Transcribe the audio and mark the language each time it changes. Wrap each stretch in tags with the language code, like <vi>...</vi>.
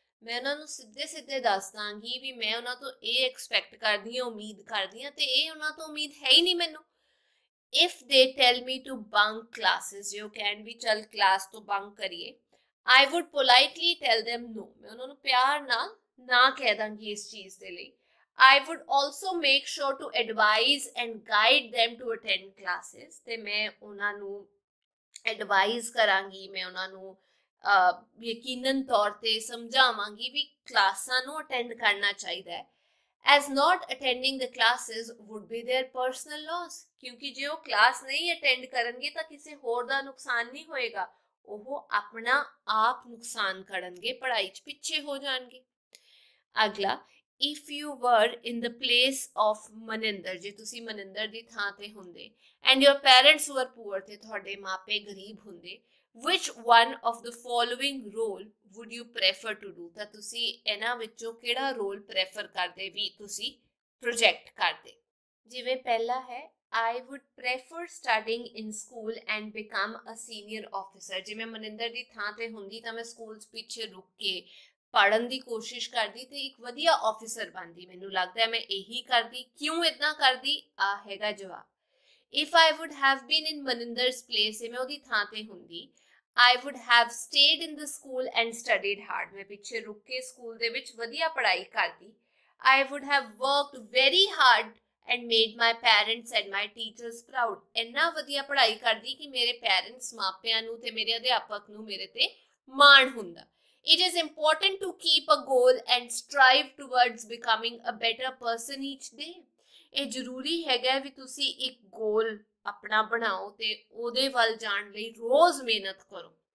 <pa>ਮੈਂ ਉਹਨਾਂ ਨੂੰ ਸਿੱਧੇ ਸਿੱਧੇ ਦੱਸ ਦਾਂਗੀ ਵੀ ਮੈਂ ਉਹਨਾਂ ਤੋਂ ਇਹ ਐਕਸਪੈਕਟ ਕਰਦੀ ਹਾਂ, ਉਮੀਦ ਕਰਦੀ ਹਾਂ, ਤੇ ਇਹ ਉਹਨਾਂ ਤੋਂ ਉਮੀਦ ਹੈ ਹੀ ਨਹੀਂ ਮੈਨੂੰ।</pa> <en>if they tell me to bunk classes, you can ਵੀ</en> <pa>ਚੱਲ ਕਲਾਸ ਤੋਂ ਬੰਕ ਕਰੀਏ,</pa> <en>I would politely tell them no.</en> <pa>ਮੈਂ ਉਹਨਾਂ ਨੂੰ ਪਿਆਰ ਨਾਲ ਨਾ ਕਹਿ ਦਾਂਗੀ ਇਸ ਚੀਜ਼ ਦੇ ਲਈ।</pa> <en>I would also make sure to advise and guide them to attend classes.</en> <pa>ਤੇ ਮੈਂ ਉਹਨਾਂ ਨੂੰ ਐਡਵਾਈਸ ਕਰਾਂਗੀ, ਮੈਂ ਉਹਨਾਂ ਨੂੰ ਯਕੀਨਨ ਤੌਰ 'ਤੇ ਸਮਝਾਵਾਂਗੀ ਵੀ ਕਲਾਸਾਂ ਨੂੰ ਅਟੈਂਡ ਕਰਨਾ ਚਾਹੀਦਾ ਹੈ।</pa> <en>As not attending the classes would be their personal loss.</en> <pa>ਕਿਉਂਕਿ ਜੇ ਉਹ ਕਲਾਸ ਨਹੀਂ ਅਟੈਂਡ ਕਰਨਗੇ ਤਾਂ ਕਿਸੇ ਹੋਰ ਦਾ ਨੁਕਸਾਨ ਨਹੀਂ ਹੋਏਗਾ, ਉਹ ਆਪਣਾ ਆਪ ਨੁਕਸਾਨ ਕਰਨਗੇ, ਪੜ੍ਹਾਈ 'ਚ ਪਿੱਛੇ ਹੋ ਜਾਣਗੇ। ਅਗਲਾ,</pa> <en>if you were in the place of Maninder,</en> <pa>ਜੇ ਤੁਸੀਂ ਮਨਿੰਦਰ ਦੀ ਥਾਂ 'ਤੇ ਹੁੰਦੇ,</pa> <en>and your parents were poor,</en> <pa>ਅਤੇ ਤੁਹਾਡੇ ਮਾਪੇ ਗਰੀਬ ਹੁੰਦੇ,</pa> <en>which one of the following role would you prefer to do,</en> <pa>ਤਾਂ ਤੁਸੀਂ ਇਹਨਾਂ ਵਿੱਚੋਂ ਕਿਹੜਾ ਰੋਲ ਪ੍ਰੈਫਰ ਕਰਦੇ ਵੀ ਤੁਸੀਂ ਪ੍ਰੋਜੈਕਟ ਕਰਦੇ? ਜਿਵੇਂ ਪਹਿਲਾ ਹੈ,</pa> <en>I would prefer studying in school and become a senior officer.</en> <pa>ਜੇ ਮੈਂ ਮਨਿੰਦਰ ਦੀ ਥਾਂ 'ਤੇ ਹੁੰਦੀ ਤਾਂ ਮੈਂ ਸਕੂਲ 'ਚ ਪਿੱਛੇ ਰੁਕ ਕੇ ਪੜ੍ਹਨ ਦੀ ਕੋਸ਼ਿਸ਼ ਕਰਦੀ ਅਤੇ ਇੱਕ ਵਧੀਆ ਆਫਿਸਰ ਬਣਦੀ। ਮੈਨੂੰ ਲੱਗਦਾ ਮੈਂ ਇਹੀ ਕਰਦੀ। ਕਿਉਂ ਇੱਦਾਂ ਕਰਦੀ? ਆਹ ਹੈਗਾ ਜਵਾਬ।</pa> <en>if I would have been in Maninder's place,</en> <pa>ਜੇ ਮੈਂ ਉਹਦੀ ਥਾਂ 'ਤੇ ਹੁੰਦੀ,</pa> <en>I would have stayed in the school and studied hard,</en> <pa>ਮੈਂ ਪਿੱਛੇ ਰੁਕ ਕੇ ਸਕੂਲ ਦੇ ਵਿੱਚ ਵਧੀਆ ਪੜ੍ਹਾਈ ਕਰਦੀ।</pa> <en>I would have worked very hard and made my parents and my teachers proud.</en> <pa>ਇੰਨਾ ਵਧੀਆ ਪੜ੍ਹਾਈ ਕਰਦੀ ਕਿ ਮੇਰੇ ਪੇਰੈਂਟਸ, ਮਾਪਿਆਂ ਨੂੰ ਤੇ ਮੇਰੇ ਅਧਿਆਪਕ ਨੂੰ ਮੇਰੇ ਤੇ ਮਾਣ ਹੁੰਦਾ।</pa> <en>It is important to keep a goal and strive towards becoming a better person each day.</en> <pa>ਇਹ ਜ਼ਰੂਰੀ ਹੈਗਾ ਵੀ ਤੁਸੀਂ ਇੱਕ ਗੋਲ ਆਪਣਾ ਬਣਾਓ ਤੇ ਉਹਦੇ ਵੱਲ ਜਾਣ ਲਈ ਰੋਜ਼ ਮਿਹਨਤ ਕਰੋ।</pa>